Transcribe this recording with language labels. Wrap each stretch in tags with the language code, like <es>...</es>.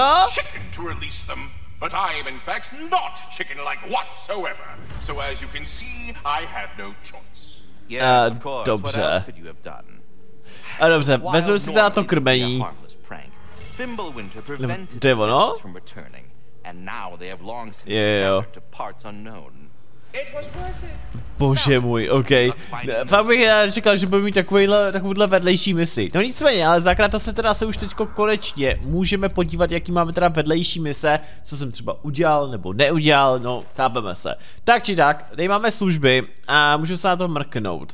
<en>Chicken to release them, but I am in fact not chicken-like whatsoever. So as you can see, I have no choice. Yes, of course.</en> <cs>Dobře.</cs> <en>What else could you have done?</en> <cs>Dobře, vezmu si teda to krmení.</cs> <en>Fimblewinter prevented the stags from returning, and now they have long since scattered to parts unknown. It was worth it.</en> <cs>Bože můj, OK. Fakt bych říkal, že budeme mít takovouhle vedlejší misi. No nicméně, ale Zakrata se teda se už teďko konečně můžeme podívat, jaký máme teda vedlejší mise, co jsem třeba udělal nebo neudělal, no chápeme se. Tak či tak, tady máme služby a můžeme se na to mrknout.</cs>